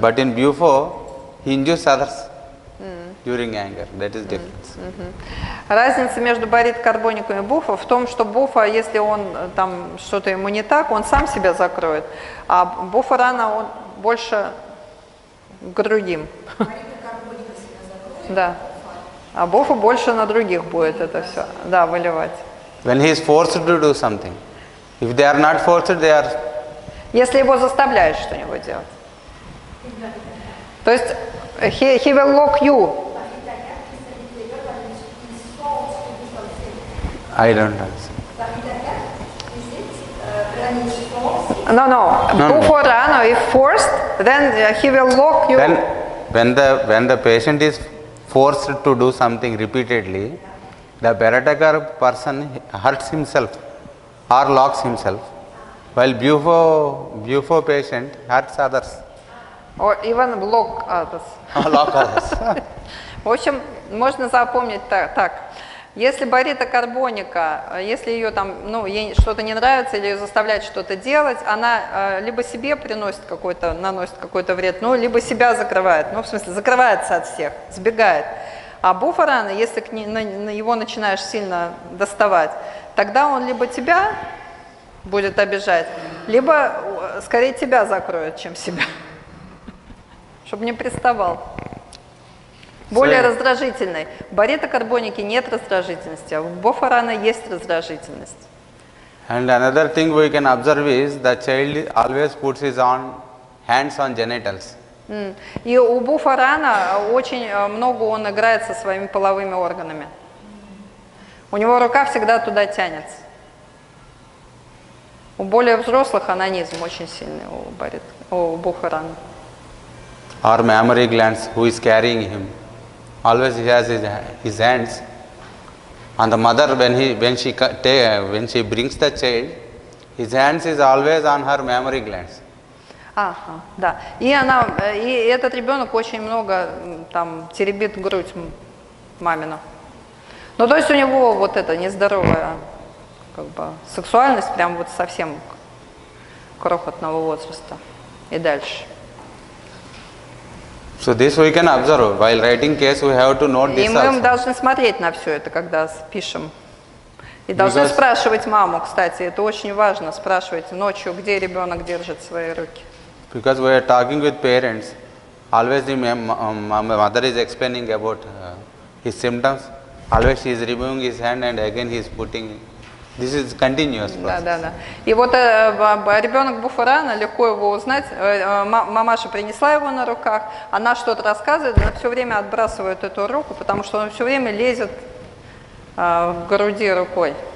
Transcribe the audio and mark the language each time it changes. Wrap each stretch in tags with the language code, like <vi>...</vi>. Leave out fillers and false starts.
<en>But in Bufo, he injures others during anger. That is difference. Mm-hmm.</en> <ru>Разница между Барретто Карбоником и Буфо в том, что Буфо, если он там что-то ему не так, он сам себя закроет, а Буфо рано он больше к другим. Да. А Буфо больше на других будет это все, да, выливать.</ru> <en>When he is forced to do something. If they are not forced, they are.</en> <ru>Если его заставляют что-нибудь делать. То есть</ru> <en>he will lock you. I don't understand. No. Before Rano, if forced, then he will lock you. Then when the patient is forced to do something repeatedly, the Bharatakar person hurts himself or locks himself, while Bufo patient hurts others. Or even block others. Lock others.</en> <ru>В общем, можно запомнить так. Если Барита Карбоника, если ее там, ну, ей что-то не нравится или ее заставляют что-то делать, она либо себе приносит какой-то, наносит какой-то вред, ну, либо себя закрывает, ну, в смысле, закрывается от всех, сбегает. А Буфарана, если к ней, на его начинаешь сильно доставать, тогда он либо тебя будет обижать, либо скорее тебя закроет, чем себя, чтобы не приставал. Более раздражительной. В Барита Карбонике нет раздражительности, а в Буфарана есть раздражительность.</ru> <en>And another thing we can observe is that child always puts his own hands on genitals.</en> <ru>И у Буфарана очень много он играет со своими половыми органами. У него рука всегда туда тянется. У более взрослых анонизм очень сильный у Буфарана.</ru> <en>Our mammary glands, who is carrying him? Always he has his hands on the mother when she brings the child, his hands is always on her mammary glands.</en> <ru>Да. И этот ребенок очень много там теребит грудь мамину. Ну, то есть у него вот это нездоровая как бы сексуальность прям вот совсем крохотного возраста и дальше.</ru> <en>So this we can observe. While writing case, we have to note this.</en> <ru>И мы должны смотреть на все это, когда пишем. И должны спрашивать маму, кстати, это очень важно, спрашивать ночью, где ребенок держит свои руки.</ru> <en>Because we are talking with parents, always the mother is explaining about his symptoms. Always she is removing his hand and again he is putting. This is continuous process.</en> <ru>Да. И вот ребенок Буфарана, легко его узнать, мамаша принесла его на руках, она что-то рассказывает, она все время отбрасывает эту руку, потому что он все время лезет в груди рукой.</ru>